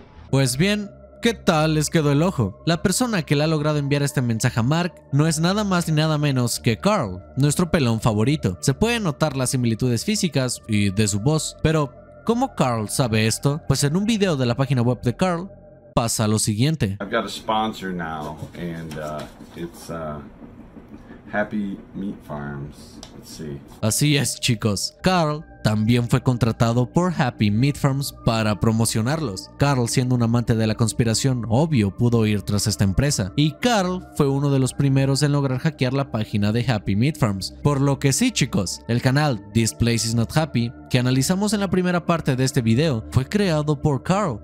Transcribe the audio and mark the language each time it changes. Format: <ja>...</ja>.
<es>Pues bien, ¿qué tal les quedó el ojo? La persona que le ha logrado enviar este mensaje a Mark no es nada más ni nada menos que Carl, nuestro pelón favorito. Se pueden notar las similitudes físicas y de su voz, pero ¿cómo Carl sabe esto? Pues en un video de la página web de Carl pasa lo siguiente.</es> <en>I've got a sponsor now and it's Happy Meat Farms. Let's see.</en> <es>Así es, chicos. Carl también fue contratado por Happy Meat Farms para promocionarlos. Carl, siendo un amante de la conspiración, obvio pudo ir tras esta empresa. Y Carl fue uno de los primeros en lograr hackear la página de Happy Meat Farms. Por lo que sí, chicos, el canal This Place Is Not Happy, que analizamos en la primera parte de este video, fue creado por Carl.</es>